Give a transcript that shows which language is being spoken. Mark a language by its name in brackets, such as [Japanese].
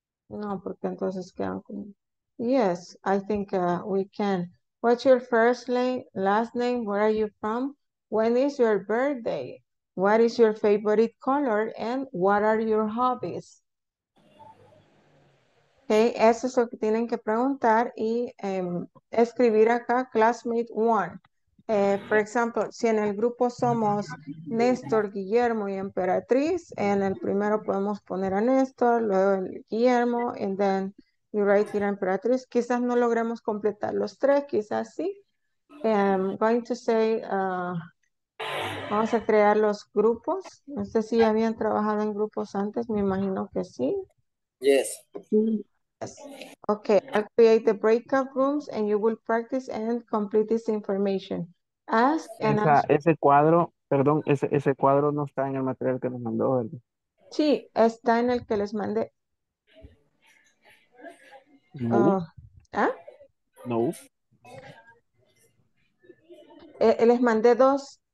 [Spanish] No, porque entonces quedan con... [English] Yes, I think we can. What's your first name, last name? Where are you from? When is your birthday? What is your favorite color? And what are your hobbies? [Spanish] Okay, eso es lo que tienen que preguntar y escribir acá, classmate one. For example, si en el grupo somos Néstor, Guillermo y Emperatriz, en el primero podemos poner a Néstor, luego el Guillermo, [English] and then you write here [Spanish] Emperatriz. Quizás no logremos completar los tres, quizás sí. [English] I'm going to say, [Spanish] vamos a crear los grupos. No sé si ya habían trabajado en grupos antes, me imagino que sí. [English] Yes. Okay, I'll create the breakout rooms and you will practice and complete this information. Ask and ask. [Spanish] Ese cuadro, perdón, ese cuadro no está en el material que nos mandó, ¿verdad? Sí, está en el que les mandé. No. ¿Ah? No. Les mandé dos.